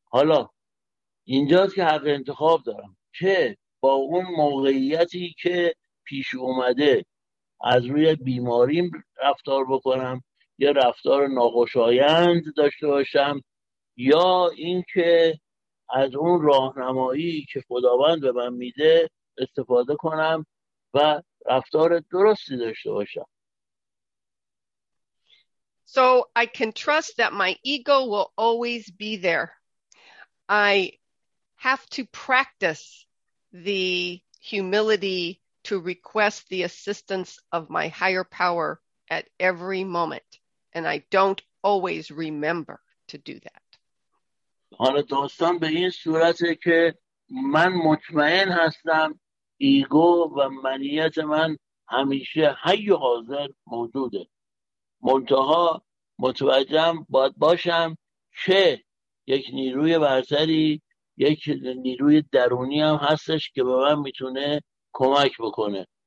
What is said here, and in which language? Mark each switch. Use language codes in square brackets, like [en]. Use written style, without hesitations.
[fa] حالا اینجاست که حق انتخاب دارم که با اون موقعیتی که پیش اومده از روی بیماریم رفتار بکنم، یه رفتار ناخوشایند داشته باشم، یا اینکه از اون راهنمایی که خداوند به من میده استفاده کنم و رفتار درستی داشته باشم. [en] So I can trust that my ego will always be there. I have to practice the humility to request the assistance of my higher power at every moment, and I don't always remember to do that. [fa] حالا داستان به این صورته که من مطمئن هستم ایگو و منیت من همیشه حی و حاضر موجوده، منتها متوجهم باید باشم که یک نیروی برتری، یک نیروی درونی هم هستش که به من میتونه کمک بکنه.